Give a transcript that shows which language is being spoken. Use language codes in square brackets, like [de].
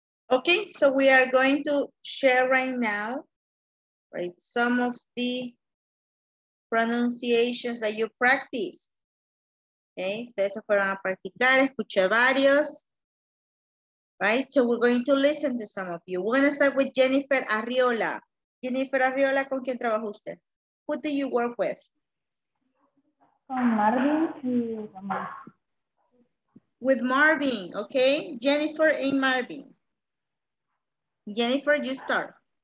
[en] Okay, so we are going to share right now, right, some of the pronunciations that you practice. [es] Okay, ustedes se fueron a practicar, escuché varios. [en] Right, so we're going to listen to some of you. We're going to start with Jennifer Arriola. Jennifer Arriola, [es] ¿con quién trabaja usted? [en] Who do you work with? [es] Con Marvin y Omar. [en] With Marvin, okay. Jennifer and Marvin. Jennifer, you start.